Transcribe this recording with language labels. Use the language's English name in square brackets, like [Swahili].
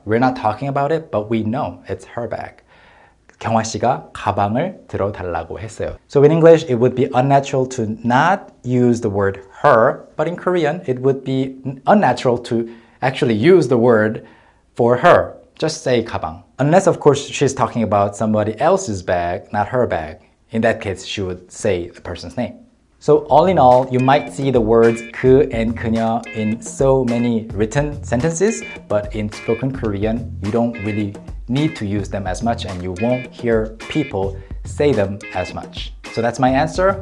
[English] We're not talking about it, but we know it's her bag. [Korean] 경화 씨가 가방을 들어달라고 했어요. [English] So in English, it would be unnatural to not use the word her, but in Korean, it would be unnatural to actually use the word for her. Just say 가방. Unless, of course, she's talking about somebody else's bag, not her bag. In that case, she would say the person's name. So all in all, you might see the words 그 and 그녀 in so many written sentences, but in spoken Korean, you don't really need to use them as much, and you won't hear people say them as much. So that's my answer.